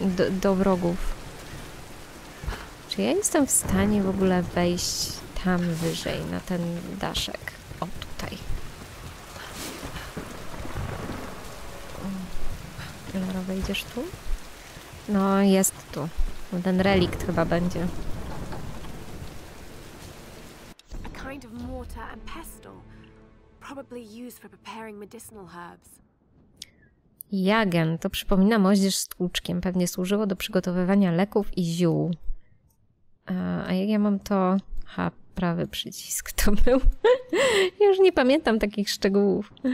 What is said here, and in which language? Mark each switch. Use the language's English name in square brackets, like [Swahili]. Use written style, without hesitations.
[Polish] Do wrogów. Czy ja jestem w stanie w ogóle wejść tam wyżej, na ten daszek? O, tutaj. Lara, wejdziesz tu? No, jest tu. Ten relikt chyba będzie. [English] A kind of mortar and pestle. Probably used for preparing medicinal herbs. [Polish] Jagen, to przypomina moździerz z tłuczkiem. Pewnie służyło do przygotowywania leków i ziół. A jak ja mam to... Ha, prawy przycisk to był. Już nie pamiętam takich szczegółów.